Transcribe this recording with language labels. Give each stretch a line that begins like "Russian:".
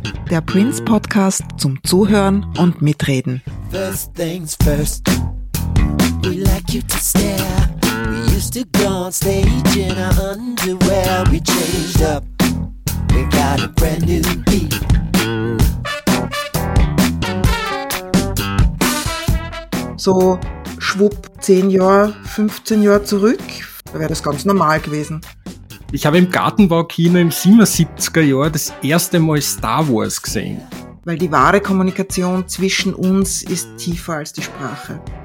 German: Der Prince-Podcast zum Zuhören und Mitreden.
English: First things first, we like you to stare. We used to go on stage in our underwear. We changed up, we got a brand new beat.
German: So schwupp 10 Jahre, 15 Jahre zurück, wäre das ganz normal gewesen. Ich habe im Gartenbaukino im 77er Jahr das erste Mal Star Wars gesehen. Weil die wahre Kommunikation zwischen uns ist tiefer als die Sprache.